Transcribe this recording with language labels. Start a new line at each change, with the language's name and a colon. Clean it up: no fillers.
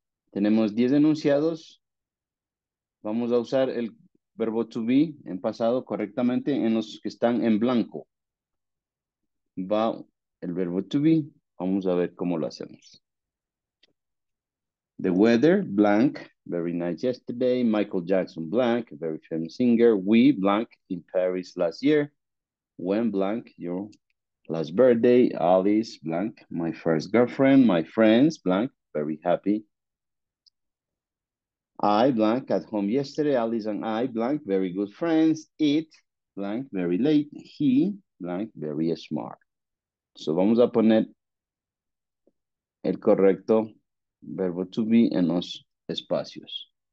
Spanish: Tenemos 10 enunciados. Vamos a usar el verbo to be en pasado correctamente en los que están en blanco. Va el verbo to be. Vamos a ver cómo lo hacemos.
English: The weather, blank, very nice yesterday. Michael Jackson, blank, very famous singer. We, blank, in Paris last year. When, blank, your last birthday. Alice, blank, my first girlfriend. My friends, blank, very happy. I, blank, at home yesterday. Alice and I, blank, very good friends. It, blank, very late. He, blank, very smart.
Spanish: So vamos a poner el correcto verbo to be en los espacios.